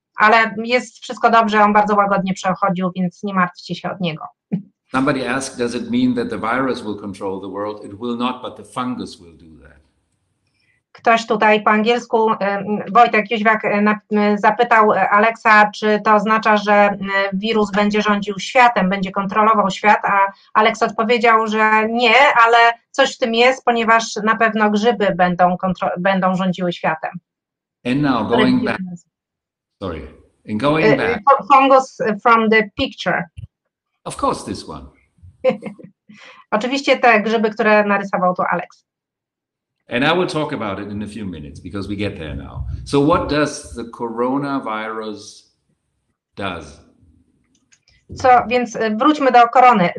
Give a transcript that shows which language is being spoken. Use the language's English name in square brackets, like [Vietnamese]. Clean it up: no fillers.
[Polish] ale jest wszystko dobrze, on bardzo łagodnie przechodził, więc nie martwcie się od niego. [English] Somebody asked, does it mean that the virus will control the world? It will not, but the fungus will do that. [Polish] Ktoś tutaj po angielsku, Wojtek Jóźwiak zapytał Aleksa, czy to oznacza, że wirus będzie rządził światem, będzie kontrolował świat, a Aleks odpowiedział, że nie, ale coś w tym jest, ponieważ na pewno grzyby będą rządziły światem. [English] And now going back. Sorry. And going back. Fungus from the picture. Of course this one. [Polish] Oczywiście te grzyby, które narysował tu Aleks. [English] And I will talk about it in a few minutes because we get there now. So what does the coronavirus does? [Polish] Co, więc wróćmy do korony.